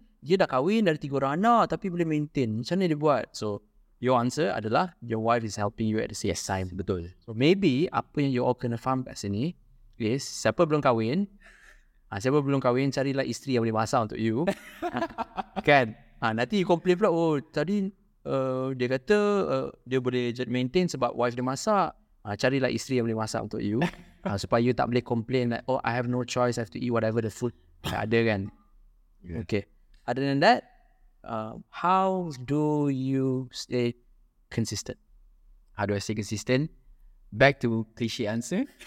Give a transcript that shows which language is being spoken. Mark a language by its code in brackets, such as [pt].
[ms] Dia dah kahwin, dari 3 orang anak tapi boleh maintain. Macam mana dia buat? [en] So your answer adalah your wife is helping you at the same time. [ms] Betul. So maybe apa yang you all kena faham kat sini is siapa belum kahwin, siapa belum kahwin, carilah isteri yang boleh masak untuk you. Kan? Nanti you complain pula, oh tadi dia kata dia boleh maintain sebab wife dia masak. Carilah isteri yang boleh masak untuk you. Supaya you tak boleh [en] complain like, oh I have no choice, I have to eat whatever the food ada kan. Yeah. Okay. Other than that, how do you stay consistent? How do I stay consistent? Back to cliche answer.